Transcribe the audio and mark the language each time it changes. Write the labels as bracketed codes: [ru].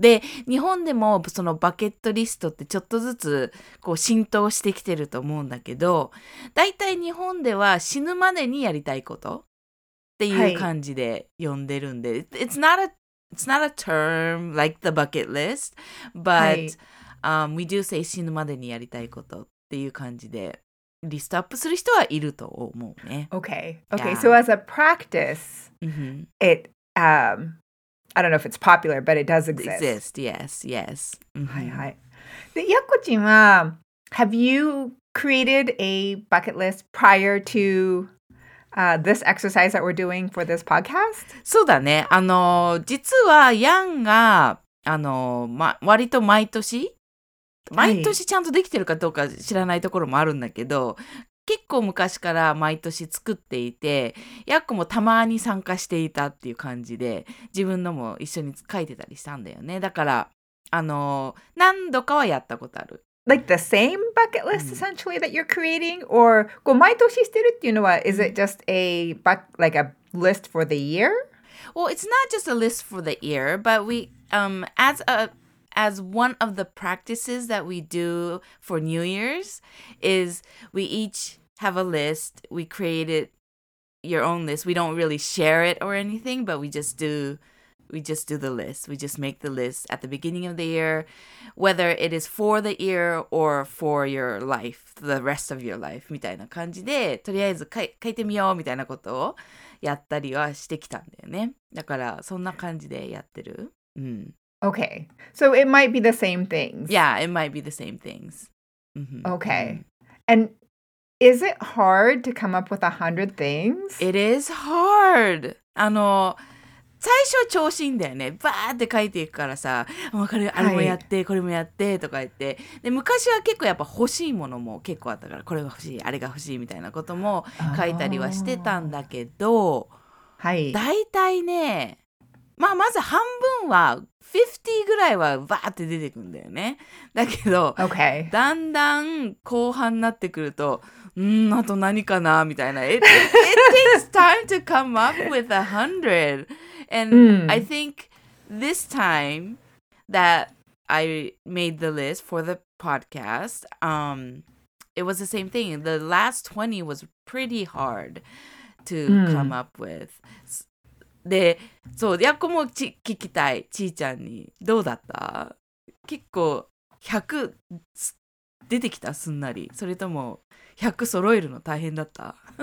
[ja] で、日本でもそのバケットリストってちょっとずつこう浸透してきてると思うんだけど、だいたい日本では死ぬまでにやりたいことっていう感じで呼んでるんで、はい、 [en] It's not a term like the bucket list, but、 [ja] はい、 [en] we do say [ja] 死ぬまでにやりたいことっていう感じで。リストアップする人はいると思うね。 [en] Okay. Okay. Yeah. So as a practice,、mm-hmm. it, I don't know if it's popular, but it does exist. Exist. Yes. Yes.、 Mm-hmm. [ja] はいはい。で、やっこちんは、 [en] have you created a bucket list prior to、this exercise that we're doing for this podcast? [ja] そうだね。実は、ヤンが、割と毎年、毎年ちゃんとできてるかどうか知らないところもあるんだけど、はい、結構昔から毎年作っていて、ヤッコもたまに参加していたっていう感じで、自分のも一緒に書いてたりしたんだよね。だから、何度かはやったことある。 [en] Like the same bucket list essentially that you're creating? Or, [ja] こう毎年してるっていうのは、 [en] is it just a, like a list for the year? Well, it's not just a list for the year, but we, as one of the practices that we do for New Year's is we each have a list. We created your own list. We don't really share it or anything, but we just do the list. We just make the list at the beginning of the year, whether it is for the year or for your life, the rest of your life, [ja] みたいな感じで、とりあえず書いてみようみたいなことをやったりはしてきたんだよね。だからそんな感じでやってる。うん。 [en] Okay, so it might be the same things. Yeah, it might be the same things.、 Mm-hmm. Okay, and is it hard to come up with 100 things? It is hard. [ja] 最初調子いいんだよね。バーって書いていくからさ、あれもやって、これもやってとか言って。で、昔は結構やっぱ欲しいものも結構あったから、これが欲しい、あれが欲しいみたいなことも書いたりはしてたんだけど、はい。大体ね、まあまず半分は50ぐらいはバーって出てくるんだよね。だけど、 [en] okay. [ja] だんだん後半になってくると、あと何かなみたいな。 [en] It takes time to come up with 100. And、I think this time that I made the list for the podcast,、it was the same thing. The last 20 was pretty hard to、come up with. [ja] で、そう、やっこも聞きたい、ちーちゃんに。どうだった？結構100出てきた、すんなり。それとも100揃えるの大変だった？